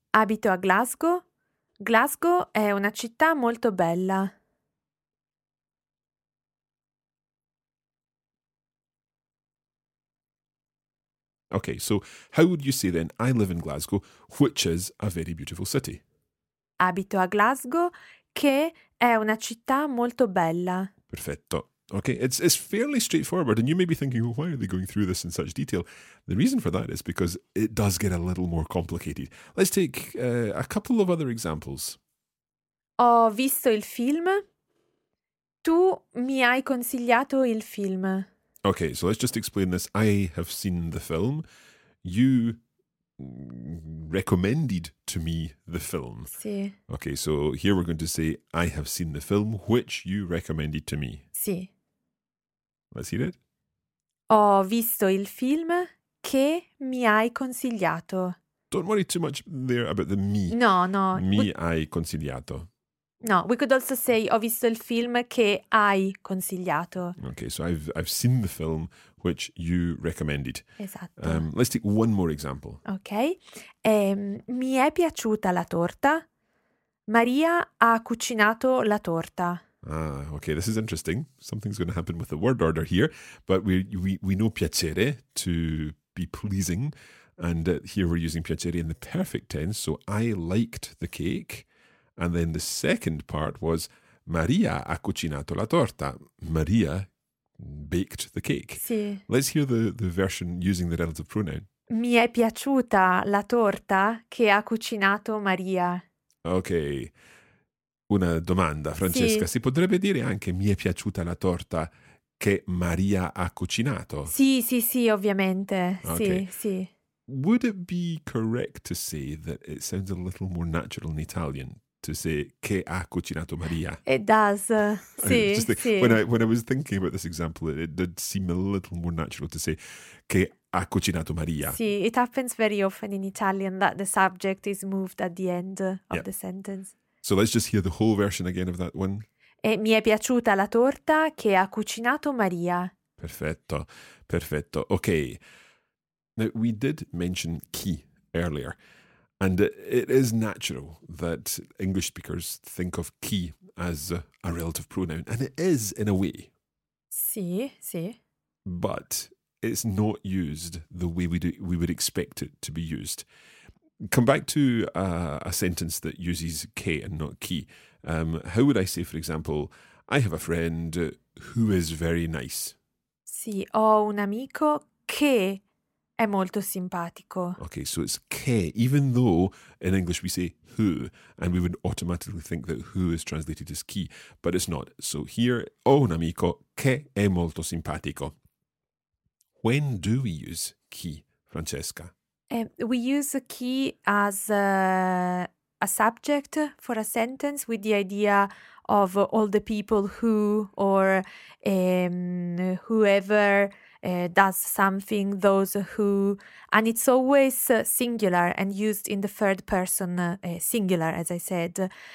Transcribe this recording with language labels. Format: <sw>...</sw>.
<it>Abito a Glasgow. Glasgow è una città molto bella.</it> <en>Okay, so how would you say then, I live in Glasgow, which is a very beautiful city?</en> <it>Abito a Glasgow, che è una città molto bella. Perfetto.</it> <en>Okay, it's fairly straightforward, and you may be thinking, well, why are they going through this in such detail? The reason for that is because it does get a little more complicated. Let's take a couple of other examples. Ho visto il film. Tu mi hai consigliato il film. Okay, so let's just explain this. I have seen the film. You recommended to me the film.</en> <it>Sì.</it> <en>Okay, so here we're going to say, I have seen the film which you recommended to me.</en> <it>Sì.</it> <en>Let's hear it.</en> <it>Ho visto il film che mi hai consigliato.</it> <en>Don't worry too much there about the me. No, no.</en> <it>Mi hai consigliato.</it> <en>No, we could also say,</en> <it>ho visto il film che hai consigliato.</it> <en>Okay, so I've seen the film which you recommended.</en> <it>Esatto.</it> <en>Let's take one more example.</en> <it>Okay. Mi è piaciuta la torta. Maria ha cucinato la torta.</it> <en>Ah, okay, this is interesting. Something's going to happen with the word order here. But we know piacere, to be pleasing. And here we're using piacere in the perfect tense. So I liked the cake. And then the second part was</en> <it>Maria ha cucinato la torta.</it> <en>Maria baked the cake.</en> <it>Sì.</it> <en>Let's hear the version using the relative pronoun.</en> <it>Mi è piaciuta la torta che ha cucinato Maria. Okay. Una domanda, Francesca. Sì. Si potrebbe dire anche mi è piaciuta la torta che Maria ha cucinato? Sì, sì, sì, ovviamente. Okay. Sì, sì.</it> <en>Would it be correct to say that it sounds a little more natural in Italian to say</en> <it>che ha cucinato Maria?</it> <en>It does.</en> <it>Sì, sì.</it> <en>When I was thinking about this example, it did seem a little more natural to say</en> <it>che ha cucinato Maria.</it> <en>Sì, it happens very often in Italian that the subject is moved at the end of the sentence. So let's just hear the whole version again of that one.</en> <it>E mi è piaciuta la torta che ha cucinato Maria. Perfetto, perfetto. Okay.</it> <en>Now, we did mention chi earlier. And it is natural that English speakers think of chi as a relative pronoun. And it is, in a way.</en> <it>Sì, sì.</it> <en>But it's not used the way we would expect it to be used. Come back to a sentence that uses che and not chi. How would I say, for example, I have a friend who is very nice?</en> <it>Sì, ho un amico che è molto simpatico.</it> <en>Okay, so it's che, even though in English we say who, and we would automatically think that who is translated as chi, but it's not. So here,</en> <it>ho un amico che è molto simpatico.</it> <en>When do we use chi, Francesca? We use chi as a subject for a sentence with the idea of all the people who or whoever does something, those who, and it's always singular and used in the third person singular, as I said.</en>